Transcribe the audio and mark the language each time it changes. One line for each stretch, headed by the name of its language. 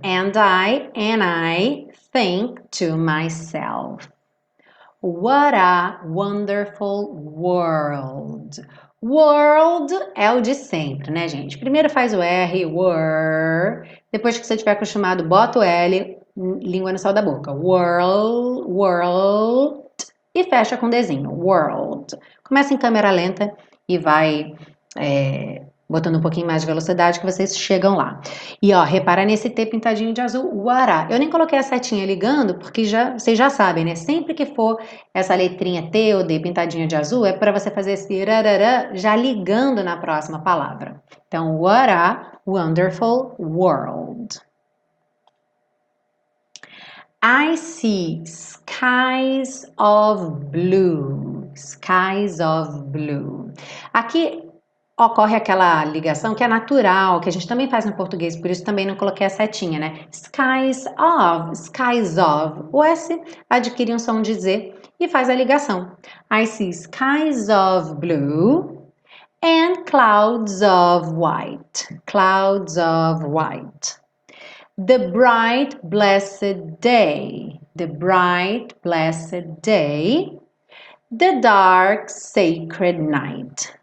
English: And I think to myself, what a wonderful world.
Portuguese: World é o de sempre, né, gente? Primeiro faz o R, world. Depois que você estiver acostumado, bota o L, língua no céu da boca. World, world. E fecha com desenho. World. Começa em câmera lenta e vai botando um pouquinho mais de velocidade que vocês chegam lá. E ó, repara nesse T pintadinho de azul. Wara. Eu nem coloquei a setinha ligando, porque já vocês já sabem, né? Sempre que for essa letrinha T ou D pintadinha de azul, é para você fazer esse irarara já ligando na próxima palavra.
English: Então, what a wonderful world. I see skies of blue. Skies of blue.
Portuguese: Aqui ocorre aquela ligação que é natural, que a gente também faz no português, por isso também não coloquei a setinha, né?
English: Skies of,
Portuguese: o S adquire um som de Z e faz a ligação.
English: I see skies of blue and clouds of white. Clouds of white. The bright, blessed day. The bright, blessed day. The dark, sacred night.